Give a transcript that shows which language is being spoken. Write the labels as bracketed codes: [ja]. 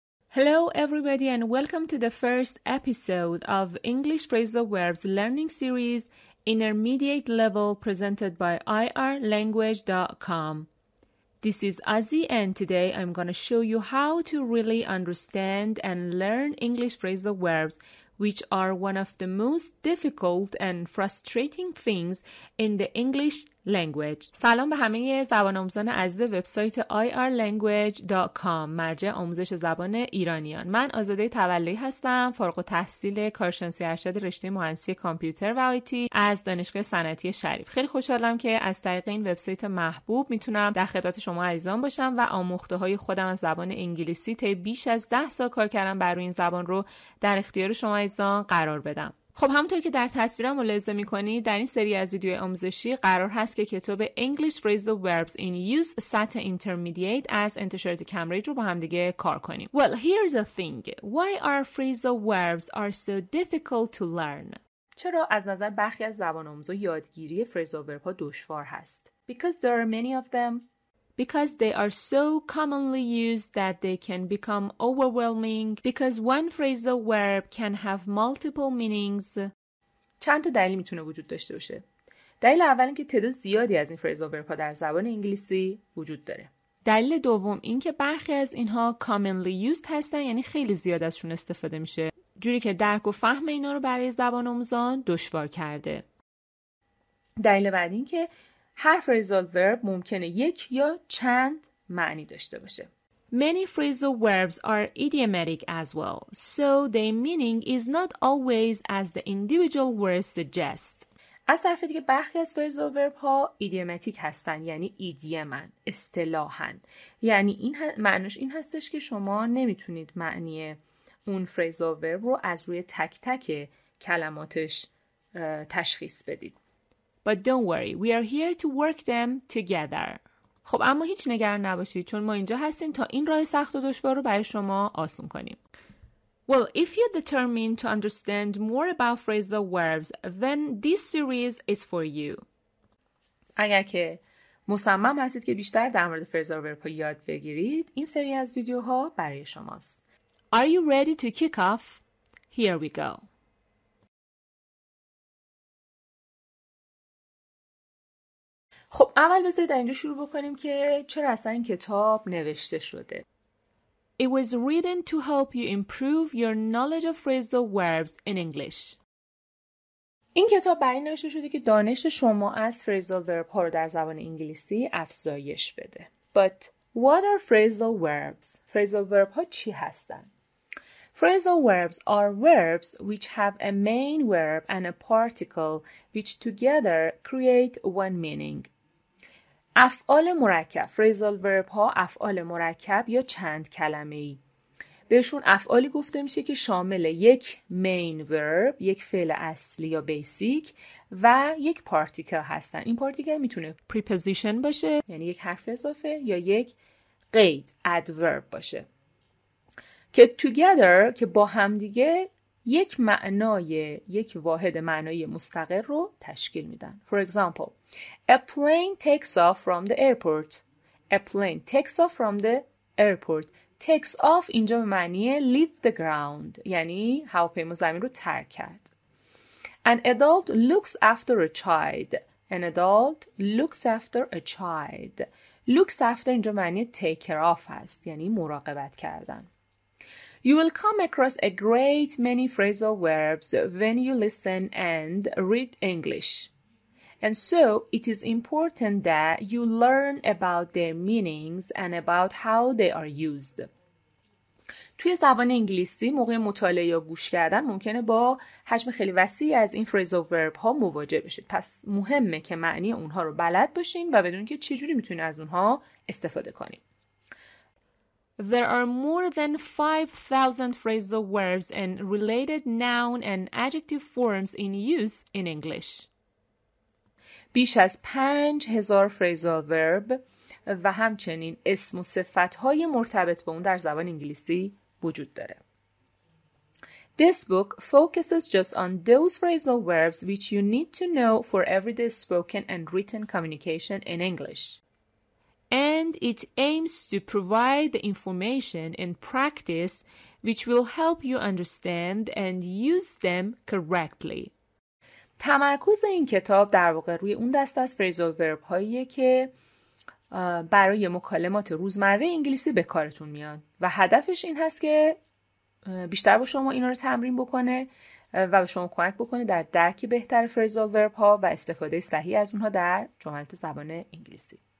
[en] Hello everybody and welcome to the first episode of English Phrasal Verbs Learning Series Intermediate Level presented by irlanguage.com. This is Azzy and today I'm going to show you how to really understand and learn English phrasal verbs, which are one of the most difficult and frustrating things in the English language. [fa] سلام به همه زبان آموزان عزیز وبسایت irlanguage.com، مرجع آموزش زبان ایرانیان. من آزاده تولی هستم، فارغ التحصیل کارشناسی ارشد رشته مهندسی کامپیوتر و آی‌تی از دانشگاه صنعتی شریف. خیلی خوشحالم که از طریق این وبسایت محبوب میتونم در خدمت شما عزیزان باشم و آموخته‌های خودم از زبان انگلیسی طی بیش از 10 سال کار کردم بر روی این زبان رو در اختیار شما عزیزان قرار بدم. خب همونطور که در تصویرم ملاحظه می‌کنید، در این سری از ویدیوهای آموزشی قرار هست که کتاب English Phrasal Verbs in Use Sata Intermediate از انتشارات کمبریج رو با هم دیگه کار کنیم. [en] Well, here's the thing. Why are phrasal verbs are so difficult to learn? [fa] چرا از نظر برخی از زبان آموزا یادگیری phrasal verb ها دشوار هست؟ [en] Because there are many of them. Because they are so commonly used that they can become overwhelming. Because one phrasal verb can have multiple meanings. [fa] چند تا دلیل میتونه وجود داشته باشه. دلیل اول این که تعداد زیادی از این phrasal verb ها در زبان انگلیسی وجود داره. دلیل دوم این که برخی از اینها [en] commonly used [fa] هستن، یعنی خیلی زیاد ازشون استفاده میشه، جوری که درک و فهم اینا رو برای زبان آموزان دشوار کرده. دلیل بعد این که هر phrasal verb ممکنه یک یا چند معنی داشته باشه. [en] Many phrasal verbs are idiomatic as well, so their meaning is not always as the individual words suggest. [fa] از طرف دیگه برخی از phrasal verb ها idiomatic هستن، یعنی idiomen، اصطلاحاً. یعنی این معنیش این هستش که شما نمیتونید معنی اون phrasal verb رو از روی تک تک کلماتش تشخیص بدید. [en] But don't worry, we are here to work them together. [fa] خب اما هیچ نگران نباشید چون ما اینجا هستیم تا این راه سخت و دشوار رو برای شما آسون کنیم. [en] Well, if you're determined to understand more about phrasal verbs, then this series is for you. [fa] اگر که مصمم هستید که بیشتر در مورد phrasal verb ها یاد بگیرید، این سری از ویدیوها برای شماست. [en] Are you ready to kick off? Here we go. [fa] خب اول بذارید اینجا شروع بکنیم که چرا اصلا این کتاب نوشته شده. [en] It was written to help you improve your knowledge of phrasal verbs in English. [fa] این کتاب برای نوشته شده که دانش شما از phrasal verb ها رو در زبان انگلیسی افزایش بده. [en] But what are phrasal verbs? [fa] Phrasal verb ها چی هستن؟ [en] Phrasal verbs are verbs which have a main verb and a particle which together create one meaning. [fa] افعال مرکب، phrasal verb ها افعال مرکب یا چند کلمه ای. بهشون افعالی گفته میشه که شامل یک main verb، یک فعل اصلی یا basic و یک particle هستن. این particle میتونه preposition باشه، یعنی یک حرف اضافه، یا یک قید، adverb باشه. که together که با هم دیگه یک معنای، یک واحد معنای مستقل رو تشکیل میدن. [en] For example, a plane takes off from the airport. A plane takes off from the airport. [fa] Takes off اینجا به معنی [en] leave the ground، [fa] یعنی هواپیما زمین رو ترک کرد. [en] An adult looks after a child. An adult looks after a child. [fa] Looks after اینجا معنی [en] take care of [fa] هست، یعنی مراقبت کردن. [en] You will come across a great many phrasal verbs when you listen and read English. And so it is important that you learn about their meanings and about how they are used. [fa] توی زبان انگلیسی موقع مطالعه یا گوش کردن ممکنه با حجم خیلی وسیعی از این phrasal verb ها مواجه بشید. پس مهمه که معنی اونها رو بلد باشین و بدونین که چجوری میتونین از اونها استفاده کنین. [en] There are more than 5,000 phrasal verbs and related noun and adjective forms in use in English. [fa] بیش از 5,000 phrasal verb و همچنین اسم و صفت‌های مرتبط با اون در زبان انگلیسی وجود داره. [en] This book focuses just on those phrasal verbs which you need to know for everyday spoken and written communication in English. And it aims to provide the information and practice which will help you understand and use them correctly. [fa] تمرکز این کتاب در واقع روی اون دسته از phrasal verb هایی که برای مکالمات روزمره انگلیسی به کارتون میان و هدفش این هست که بیشتر با شما اینا رو تمرین بکنه و به شما کمک بکنه در درک بهتر phrasal verb ها و استفاده صحیح از اونها در جملات زبان انگلیسی.